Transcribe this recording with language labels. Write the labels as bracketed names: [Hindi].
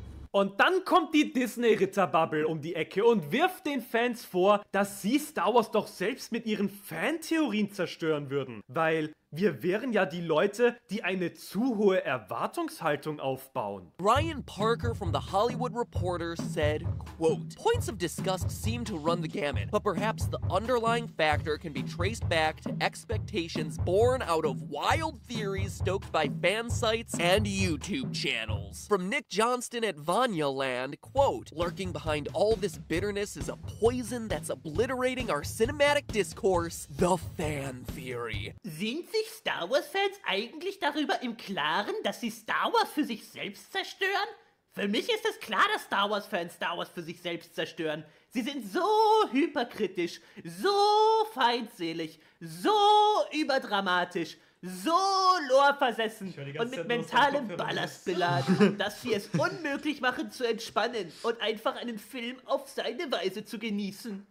[German] Und dann kommt die Disney-Ritter-Bubble um die Ecke und wirft den Fans vor, dass sie Star Wars doch selbst mit ihren Fantheorien zerstören würden. Weil wir wären ja die Leute, die eine zu hohe Erwartungshaltung aufbauen. [English] Ryan Parker from The Hollywood Reporter said, quote, "Points of disgust seem to run the gamut, but perhaps the underlying factor can be traced back to expectations born out of wild theories stoked by fan sites and YouTube channels." From Nick Johnston at Vanya Land, quote, "Lurking behind all this bitterness is a poison that's obliterating our cinematic discourse, the fan theory." [German] Sind sich Star Wars Fans eigentlich darüber im Klaren, dass sie Star Wars für sich selbst zerstören? Für mich ist es klar, dass Star Wars-Fans Star Wars für sich selbst zerstören. Sie sind so hyperkritisch, so feindselig, so überdramatisch, so loreversessen und mit mentalem Ballast beladen, dass sie es unmöglich machen zu entspannen und einfach einen Film auf seine Weise zu genießen.